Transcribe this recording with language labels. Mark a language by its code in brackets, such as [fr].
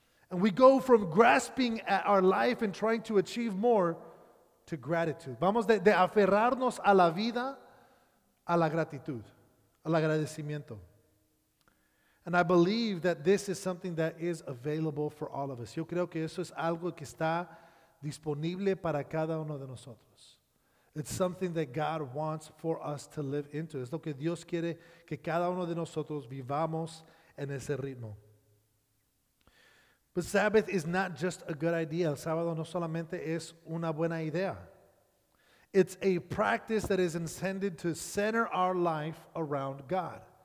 [en] And we go from grasping at our life and trying to achieve more to gratitude. [es] Vamos de aferrarnos a la vida a la gratitud, al agradecimiento. [en] And I believe that this is something that is available for all of us. [es] Yo creo que eso es algo que está disponible para cada uno de nosotros. [en] It's something that God wants for us to live into. [es] Es lo que Dios quiere que cada uno de nosotros vivamos en ese ritmo. [en] But Sabbath is not just a good idea. [es] El sábado no solamente es una buena idea. [en] It's a practice that is intended to center our life around God.